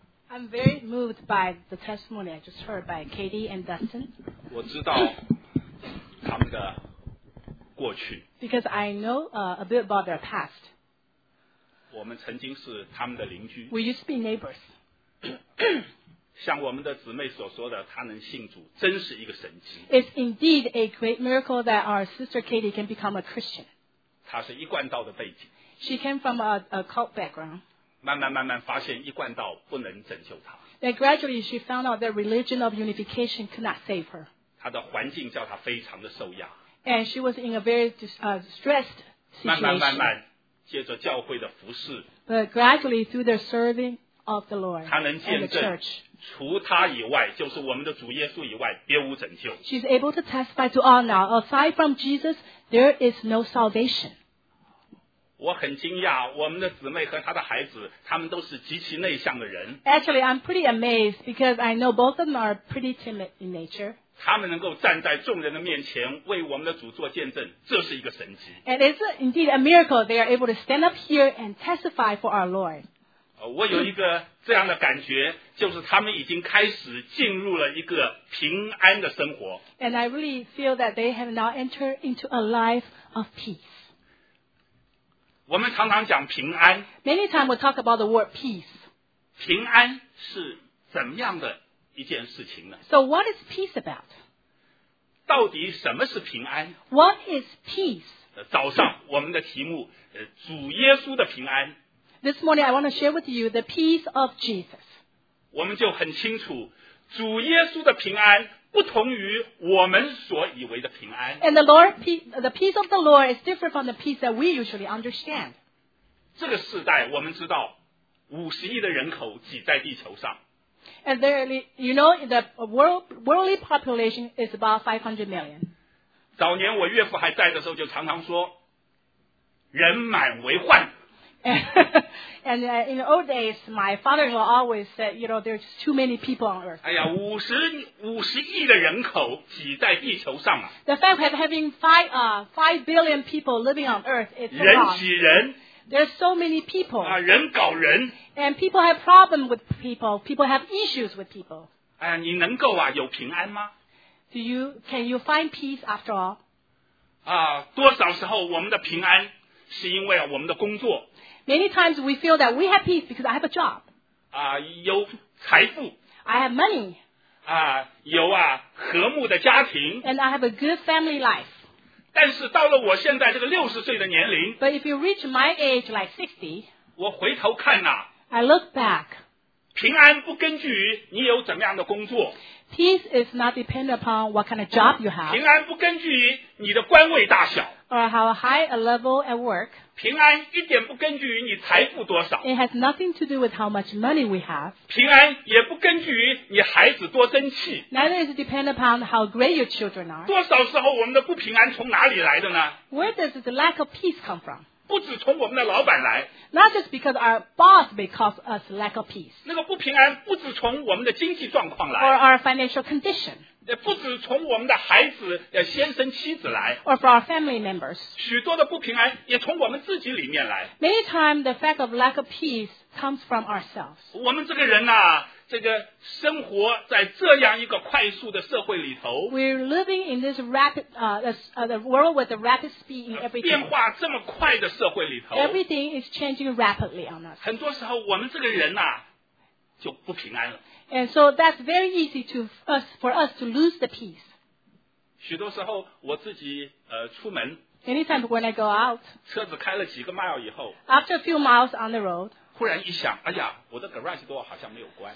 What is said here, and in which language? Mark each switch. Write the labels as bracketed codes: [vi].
[en] I'm very moved by the testimony I just heard by Katie and Dustin. [zh] 我知道他们的过去。 [en] Because I know a bit about their past. [zh] 我们曾经是他们的邻居。 [en] We used to be neighbors. [zh] 像我们的姊妹所说的，她能信主，真是一个神迹。 [en] It's indeed a great miracle that our sister Katie can become a Christian. [zh] 她是一贯道的背景。 [en] She came from a cult background. [zh] 慢慢慢慢发现一贯道不能拯救她。 [en] Then gradually she found out that religion of unification could not save her. [zh] 她的环境叫她非常的受压。 [en] And she was in a very stressed situation. [zh] 慢慢慢慢借着教会的服事。 [en] But gradually through the serving of the Lord. [zh] 她能见证除她以外就是我们的主耶稣以外别无拯救。 [en] She's able to testify to all now. Aside from Jesus, there is no salvation. [zh] 我很惊讶，我们的姊妹和她的孩子，他们都是极其内向的人。 [en] Actually, I'm pretty amazed because I know both of them are pretty timid in nature. [zh] 他们能够站在众人的面前为我们的主做见证，这是一个神迹。 [en] And it's indeed a miracle they are able to stand up here and testify for our Lord. [zh] 我有一个这样的感觉，就是他们已经开始进入了一个平安的生活。 [en] And I really feel that they have now entered into a life of peace. [zh] 我们常常讲平安。 [en] Many times we talk about the word peace. [zh] 平安是怎么样的一件事情呢 [en] ？So what is peace about? [zh] 到底什么是平安 [en] ？What is peace? [zh] 早上我们的题目，主耶稣的平安。 [en] This morning I want to share with you the peace of Jesus. [zh] 我们就很清楚，主耶稣的平安不同于我们所以为的平安。 [en] And the Lord, the peace of the Lord is different from the peace that we usually understand. [zh] 这个时代我们知道50亿的人口挤在地球上。 [en] And you know, the worldly population is about 500 million. [zh] 早年我岳父还在的时候就常常说人满为患。 [en] And in the old days, my father-in-law always said, you know, there's too many people on earth. [zh] 哎呀，50亿的人口挤在地球上啊。 [en] The fact of having five billion people living on earth is a lot. [zh] 人挤人。 [en] There's so many people. [zh] 啊，人搞人。 [en] And people have problems with people. People have issues with people. [zh] 哎呀，你能够啊，有平安吗？ [en] Can you find peace after all? [zh] 啊，多少时候我们的平安是因为我们的工作。 [en] Many times we feel that we have peace because I have a job. [zh] 啊，有财富。 [en] I have money. [zh] 啊，有啊，和睦的家庭。 [en] And I have a good family life. [zh] 但是到了我现在这个60岁的年龄。 [en] But if you reach my age like 60. [zh] 我回头看呐。 [en] I look back. [zh] 平安不根据于你有怎么样的工作。 [en] Peace is not dependent upon what kind of job you have. [zh] 平安不根据于你的官位大小。 [en] Or how high a level at work. [zh] 平安一点不根据于你财富多少。 [en] It has nothing to do with how much money we have. [zh] 平安也不根据于你孩子多争气。 [en] Neither is it dependent upon how great your children are. [zh] 多少时候我们的不平安从哪里来的呢？ [en] Where does the lack of peace come from? [zh] 不只从我们的老板来。 [en] Not just because our boss may cause us lack of peace. [zh] 那个不平安不只从我们的经济状况来。 [en] Or our financial condition. [zh] 不只从我们的孩子、先生、妻子来 [en] ，or from our family members， [zh] 许多的不平安也从我们自己里面来。 [en] Many times the fact of lack of peace comes from ourselves。 [zh] 我们这个人呐、啊，这个生活在这样一个快速的社会里头 [en] ，we're living in this rapid the world with the rapid speed in everything。 [zh] 变化这么快的社会里头 [en] ，everything is changing rapidly on us。 [zh] 很多时候，我们这个人呐、啊。就不平安了。 [en] And so that's very easy to us for us to lose the peace. [zh] 许多时候我自己出门。 [en] Anytime when I go out. [zh] 车子开了几个 mile 以后。 [en] After a few miles on the road. [zh] 忽然一想，哎呀，我的 garage door 好像没有关。